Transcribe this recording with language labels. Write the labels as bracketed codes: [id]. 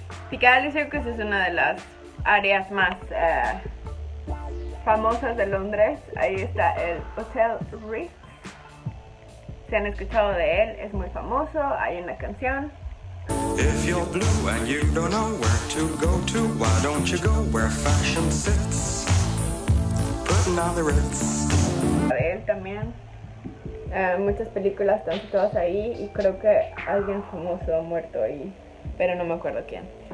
[es] Piccadilly Circus es una de las áreas más famosas de Londres. Ahí está el Hotel Ritz. Si han escuchado de él, es muy famoso, hay una canción. [en] If you're blue and you don't know where to go to, why don't you go where fashion sits? Putting on the Ritz. Él también. [es] Muchas películas están situadas ahí y creo que alguien famoso ha muerto ahí, pero no me acuerdo quién.